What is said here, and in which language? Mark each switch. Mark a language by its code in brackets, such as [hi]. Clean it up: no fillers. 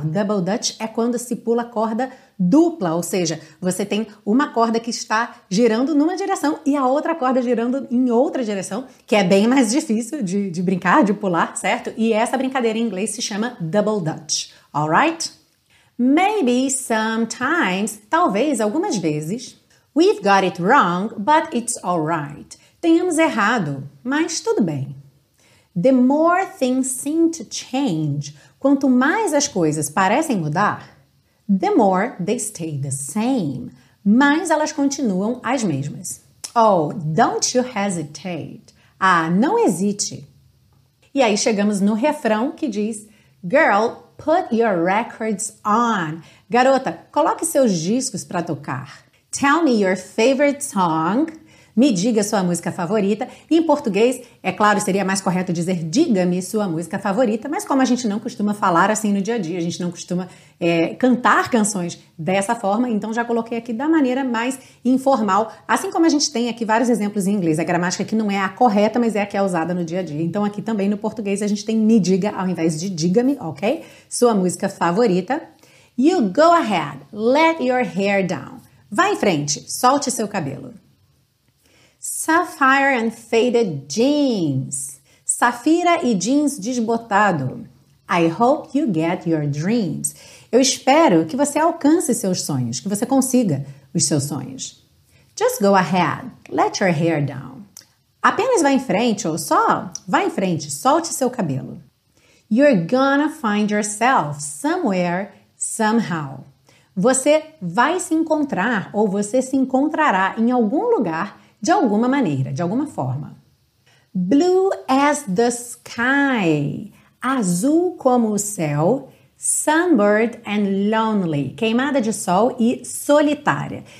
[pt] Double dutch é quando se pula corda dupla, ou seja, você tem uma corda que está girando numa direção e a outra corda girando em outra direção, que é bem mais difícil de brincar, de pular, certo? E essa brincadeira em inglês se chama double dutch, alright? [en] Maybe sometimes, [pt] talvez algumas vezes, [en] we've got it wrong, but it's alright. [pt] Tenhamos errado, mas tudo bem. [en] The more things seem to change, [pt] quanto mais as coisas parecem mudar, [en] the more they stay the same, [pt] mais elas continuam as mesmas. [en] Oh, don't you hesitate. [pt] Ah, não hesite. E aí chegamos no refrão que diz, [en] girl, put your records on. [pt] Garota, coloque seus discos para tocar. [en] Tell me your favorite song. [pt] Me diga sua música favorita. Em português, é claro, seria mais correto dizer diga-me sua música favorita, mas como a gente não costuma falar assim no dia a dia, a gente não costuma cantar canções dessa forma, então já coloquei aqui da maneira mais informal, assim como a gente tem aqui vários exemplos em inglês. A gramática aqui não é a correta, mas é a que é usada no dia a dia. Então aqui também no português a gente tem me diga ao invés de diga-me, ok? Sua música favorita. [en] You go ahead, let your hair down. [pt] Vá em frente, solte seu cabelo. [en] Sapphire and faded jeans. [pt] Safira e jeans desbotado. [en] I hope you get your dreams. [pt] Eu espero que você alcance seus sonhos, que você consiga os seus sonhos. [en] Just go ahead, let your hair down. [pt] Apenas vá em frente, ou só vá em frente, solte seu cabelo. [en] You're gonna find yourself somewhere, somehow. [pt] Você vai se encontrar ou você se encontrará em algum lugar de alguma maneira, de alguma forma. [en] Blue as the sky, [pt] azul como o céu, [en] sunburned and lonely, [pt] queimada de sol e solitária.